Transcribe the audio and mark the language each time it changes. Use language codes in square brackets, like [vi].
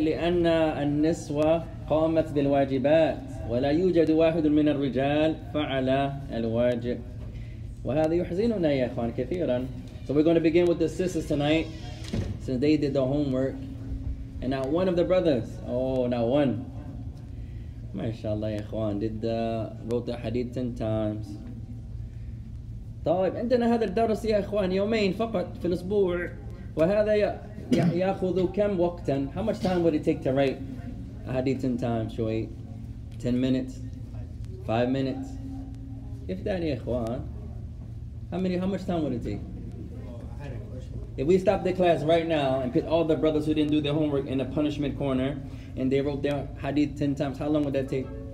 [ar] لِأَنَّ النِّسْوَ قَامَتْ بِالْوَاجِبَاتِ وَلَا يُوجَدُ وَاحِدٌ مِنَ الرِّجَالِ فَعَلَى الْوَاجِبِ وَهَذَا يُحْزِنُنَا يَا إِخْوَانِ كَثِيرًا. [en] So we're going to begin with the sisters tonight, since they did the homework. And not one of the brothers, MashaAllah, يَا إِخْوَانِ, wrote the hadith 10 times. [ar] طيب, عندنا هذا الدرس يا إخوان يومين فقط في الأسبوع. وهذا يأخذ كم وقتا؟ [en] How much time would it take to write a hadith 10 times, Shuaib? 10 minutes? 5 minutes? If that, يا إخوان, how much time would it take? I had a question. If we stop the class right now and put all the brothers who didn't do their homework in a punishment corner and they wrote their hadith 10 times, how long would that take?